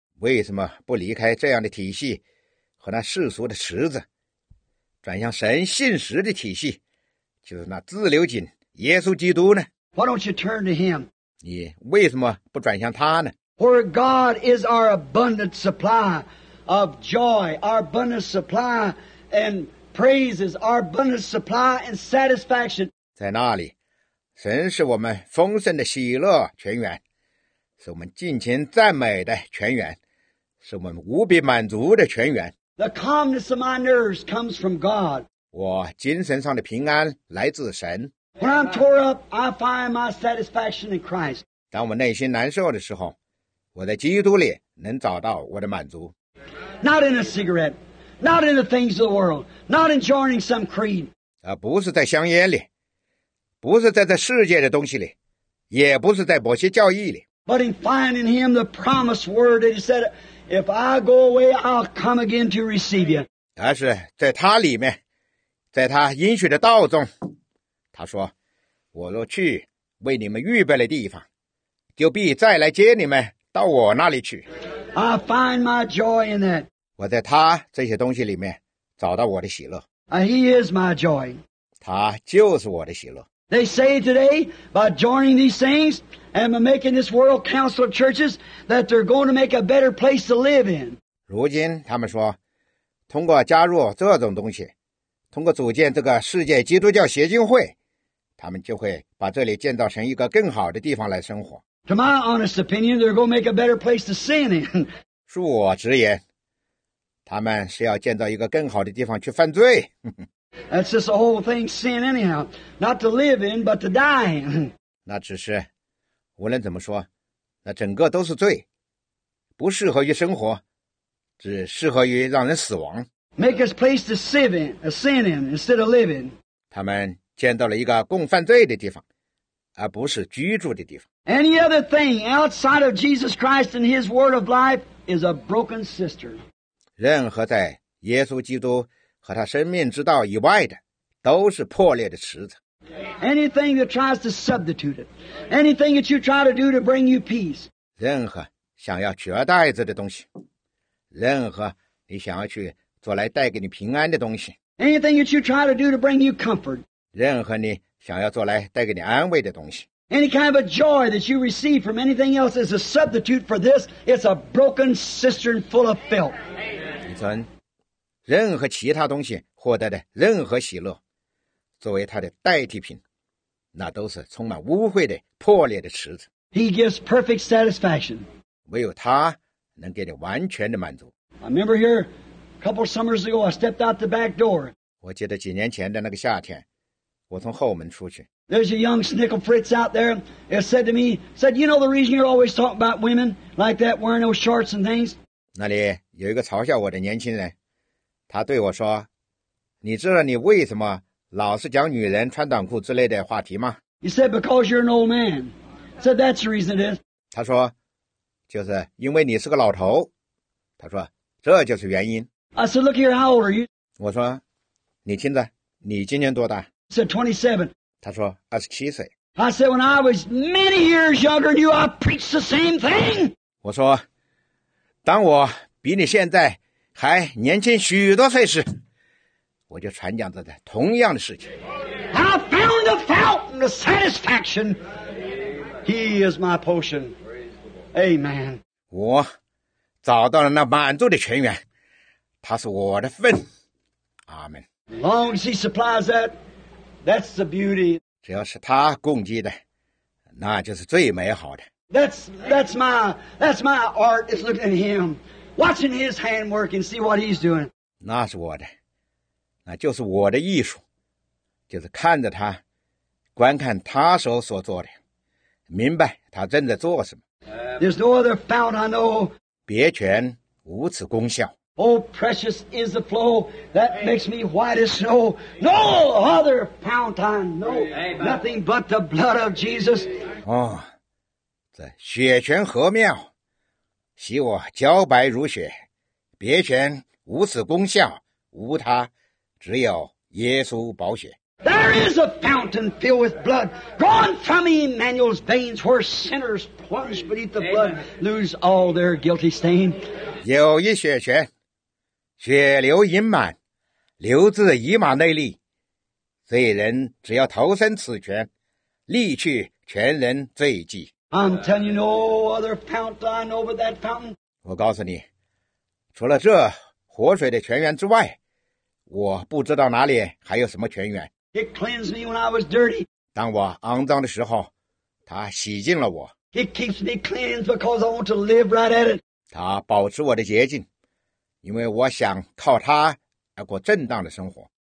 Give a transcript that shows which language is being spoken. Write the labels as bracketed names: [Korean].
[Chinese] 为什么不离开这样的体系和那世俗的池子，转向神信实的体系，就是那自流井耶稣基督呢？ [English] Why don't you turn to him? [Chinese] 你为什么不转向他呢？ [English] Where God is our abundant supply of joy, our abundant supply and praises, our abundant supply and satisfaction. [Chinese] 在那里，神是我们丰盛的喜乐泉源，是我们尽情赞美的泉源，是我们无比满足的泉源。 [English] The calmness of my nerves comes from God. [Chinese] 我精神上的平安来自神。 [English] When I'm tore up, I find my satisfaction in Christ. [Chinese] 当我内心难受的时候，我在基督里能找到我的满足。 [English] Not in a cigarette, not in the things of the world, not in joining some creed. [Chinese] 不是在香烟里，不是在这世界的东西里，也不是在某些教义里。 [English] But in finding him the promised word that he said, if I go away, I'll come again to receive you. [Chinese] 而是在他里面，在他应许的道中，他说，我若去为你们预备了地方，就必再来接你们到我那里去。 [English] I find my joy in that. [Chinese] 我在他这些东西里面找到我的喜乐。 [English] He is my joy. [Chinese] 他就是我的喜乐。 [English] They say today, by joining these things and by making this world council of churches, that they're going to make a better place to live in. [Chinese] 如今他们说，通过加入这种东西，通过组建这个世界基督教协进会，他们就会把这里建造成一个更好的地方来生活。 [English] To my honest opinion, they're going to make a better place to sin in. [Chinese] 恕我直言，他们是要建造一个更好的地方去犯罪。 [English] That's just the whole thing, sin anyhow. Not to live in, but to die in. [Chinese] 那只是，无论怎么说，那整个都是罪，不适合于生活，只适合于让人死亡。 [English] Make a place to sin in instead of live in. [Chinese] 他们建造了一个供犯罪的地方，而不是居住的地方。 [English] Any other thing outside of Jesus Christ and His Word of Life is a broken cistern. [Chinese] 任何在耶稣基督和他生命之道以外的，都是破裂的池子。 [English] Anything that tries to substitute it, anything that you try to do to bring you peace. [Chinese] 任何想要取而代之的东西，任何你想要去做来带给你平安的东西。 [English] Anything that you try to do to bring you comfort. [Chinese] 任何你想要做来带给你安慰的东西。 [English] Any kind of a joy that you receive from anything else is a substitute for this. It's a broken cistern full of filth. [Chinese] 你从任何其他东西获得的任何喜乐，作为它的代替品，那都是充满污秽的破裂的池子。 [English] He gives perfect satisfaction. [Chinese] 唯有他能给你完全的满足。 [English] I remember here a couple of summers ago, I stepped out the back door. [Chinese] 我记得几年前的那个夏天，我从后门出去。 [English] There's a young Snickle Fritz out there that said to me, said, you know the reason you're always talking about women like that, wearing those shorts and things? [Chinese] 那里有一个嘲笑我的年轻人，他对我说，你知道你为什么老是讲女人穿短裤之类的话题吗？ [English] He said, because you're an old man. Said, that's the reason it is. [Chinese] 他说，就是因为你是个老头。他说，这就是原因。 [English] I said, look here, how old are you? [Chinese] 我说，你听着，你今年多大？ [English] He said, 27. [Chinese] 他说27岁。 [English] I said, when I was many years younger than you, I preached the same thing. [Chinese] 我说，当我比你现在还年轻许多岁时，我就传讲着的同样的事情。 [English] I found a fountain of satisfaction. He is my potion. Amen. [Chinese] 我找到了那满足的泉源，他是我的份。 [English] Amen. As long as he supplies that, that's the beauty. [Chinese] 只要是他供给的，那就是最美好的。 [English] That's my art is looking at him. Watching his handwork and see what he's doing. [Chinese] 那是我的，那就是我的艺术，就是看着他，观看他手所做的，明白他正在做什么。 [English] There's no other fount I know. [Chinese] 别泉无此功效。 [English] Oh, precious is the flow that makes me white as snow. No other fount I know. Nothing but the blood of Jesus. [Chinese] 哦，这雪泉何妙，洗我皎白如雪。别泉无此功效，无他，只有耶稣宝血。 [English] There is a fountain filled with blood, drawn from Emmanuel's veins, where sinners plunge beneath the blood, lose all their guilty stain. [Chinese] 有一雪泉，血流盈满，流自以马内利。罪人只要投身此泉，沥去全人罪迹。 [English] I'm telling you, no other fountain over that fountain. [Chinese] 我告诉你，除了这活水的泉源之外，我不知道哪里还有什么泉源。 [English] It cleansed me when I was dirty. [Chinese] 当我肮脏的时候，它洗净了我。 [English] It keeps me clean because I want to live right at it. [Chinese] 它保持我的洁净，因为我想靠它而过正当的生活。